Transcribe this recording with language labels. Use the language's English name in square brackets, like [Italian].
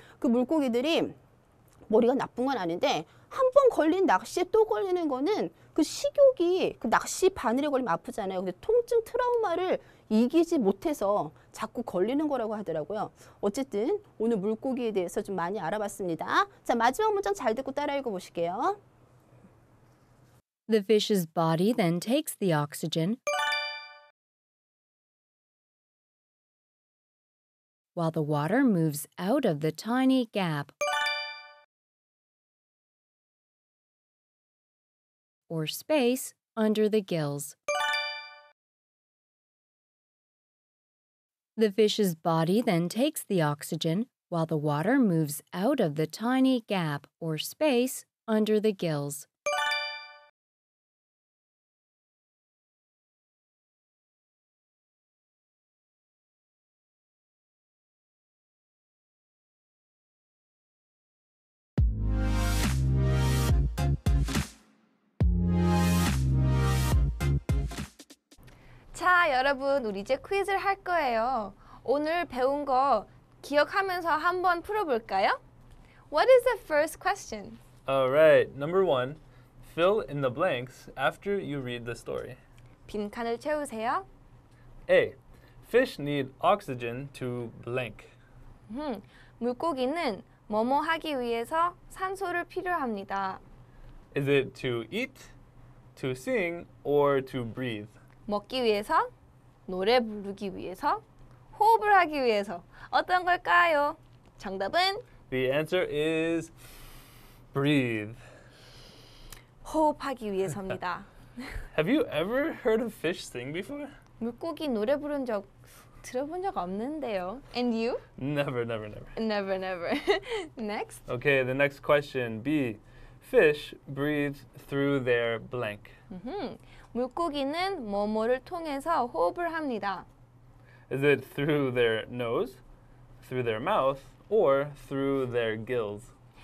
[Korean] 그 물고기들이 머리가 나쁜 건 아닌데 한 번 걸린 낚시에 또 걸리는 거는 그 식욕이 그 낚시 바늘에 걸리면 아프잖아요. 근데 통증 트라우마를 이기지 못해서 자꾸 걸리는 거라고 하더라고요. 어쨌든 오늘 물고기에 대해서 좀 많이 알아봤습니다. 자, 마지막 문장 잘 듣고 따라 읽어 보실게요. The fish's body then takes the oxygen while the water moves out of the tiny gap or space under the gills. The fish's body then takes the oxygen while the water moves out of the tiny gap or space under the gills. 자, 여러분, 우리 이제 퀴즈를 할 거예요. 오늘 배운 거 기억하면서 한번 풀어볼까요? [English] What is the first question? Alright, number one. Fill in the blanks after you read the story. [Korean] 빈칸을 채우세요. [English] A. Fish need oxygen to blank. [Korean] 물고기는 뭐뭐 하기 위해서 산소를 필요합니다. [English] Is it to eat, to sing, or to breathe? [Korean] 먹기 위해서, 노래 부르기 위해서, 호흡을 하기 위해서 어떤 걸까요? 정답은? [English] The answer is breathe. [Korean] 호흡하기 위해서입니다. [English] Have you ever heard a fish sing before? [Korean] 물고기 노래 부른 적 들어본 적 없는데요. [English] And you? Never, never, never. Never, never. Next? Okay, the next question. B. Fish breathe through their blank. [Korean] 물고기는 뭐뭐를 통해서 호흡을 합니다. [English] Is it through their nose, through their mouth, or through their gills?